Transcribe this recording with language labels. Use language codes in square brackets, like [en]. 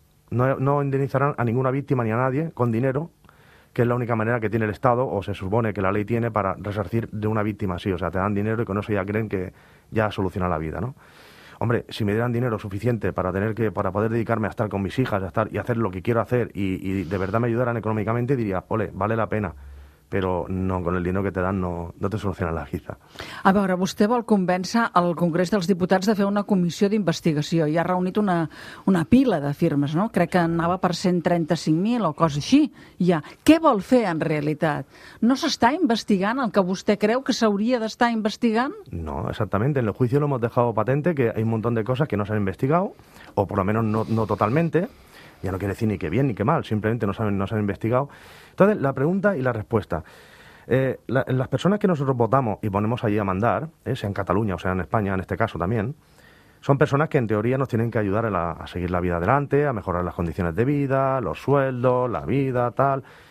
[es] No indemnizarán a ninguna víctima ni a nadie con dinero, que es la única manera que tiene el Estado, o se supone que la ley tiene, para resarcir de una víctima así. O sea, te dan dinero y con eso ya creen que ya soluciona la vida, ¿no? Hombre, si me dieran dinero suficiente para poder dedicarme a estar con mis hijas, a estar y hacer lo que quiero hacer, y de verdad me ayudaran económicamente, diría, ole, vale la pena. Però no, con el dinero que te dan no te solucionan la vida. [ca] A veure, vostè vol convèncer el Congrés dels Diputats de fer una comissió d'investigació i ha reunit una pila de firmes, no? Crec que anava per 135.000 o cosa així. Ja. Què vol fer en realitat? No s'està investigant el que vostè creu que s'hauria d'estar investigant? No, exactament. [es] En el juicio lo hemos dejado patente que hay un montón de cosas que no se han investigado, o por lo menos no totalmente. Ya no quiere decir ni que bien ni que mal, simplemente no se han investigado. Entonces, la pregunta y la respuesta. Las personas que nosotros votamos y ponemos allí a mandar, sea en Cataluña o sea en España, en este caso también, son personas que en teoría nos tienen que ayudar a seguir la vida adelante, a mejorar las condiciones de vida, los sueldos, la vida, tal.